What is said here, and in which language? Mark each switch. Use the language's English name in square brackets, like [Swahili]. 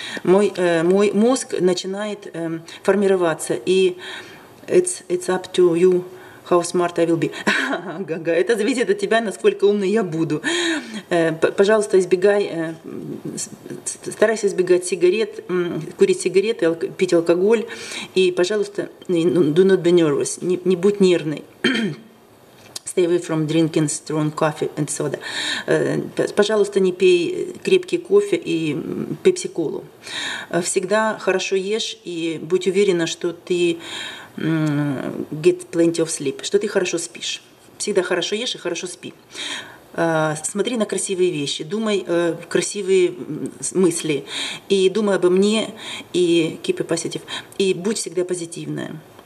[Russian] Мой мозг начинает формироваться, [English] и it's up to you how smart I will be. [Russian] Га-га, это зависит от тебя, насколько умной я буду. Пожалуйста, старайся избегать сигарет, курить сигареты, пить алкоголь, и, пожалуйста, [English] do not be nervous, [Russian] не будь нервной. [English] Stay away from drinking strong coffee and soda. [Russian] Пожалуйста, не пей крепкий кофе и пепси-колу. Всегда хорошо ешь и будь уверена, что ты [English] get plenty of sleep, [Russian] что ты хорошо спишь. Всегда хорошо ешь и хорошо спи. смотри на красивые вещи, думай красивые мысли, и думай обо мне, и [English] keep it positive, [Russian] и будь всегда позитивная.